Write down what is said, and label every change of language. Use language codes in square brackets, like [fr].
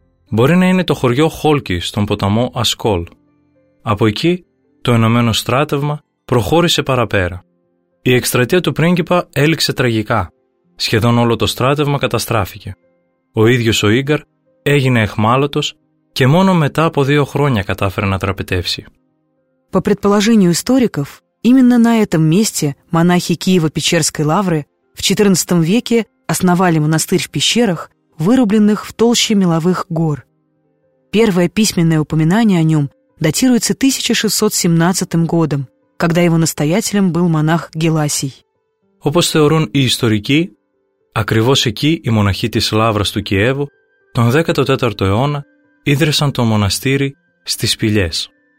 [el] Μπορεί να είναι το χωριό Χόλκι στον ποταμό Ασκόλ. Από εκεί το ενωμένο στράτευμα προχώρησε παραπέρα. Η εκστρατεία του πρίγκιπα έληξε τραγικά. Σχεδόν όλο το στράτευμα καταστράφηκε. Ο ίδιος ο Ίγκαρ έγινε εχμάλωτος και μόνο μετά από 2 χρόνια κατάφερε να τραπετεύσει. [ru] По предположению историков, именно на этом месте монахи Киево-Печерской лавры в XIV веке основали монастырь в пещерах, вырубленных в толще меловых гор. Первое письменное упоминание о нем датируется 1617 годом, когда его настоятелем был монах Геласий. [el] Όπως θεωρούν οι ιστορικοί, ακριβώς εκεί οι μοναχοί της Λαύρας του Κιέβου τον 14ο αιώνα ίδρυσαν το μοναστήρι στις Σπηλιές.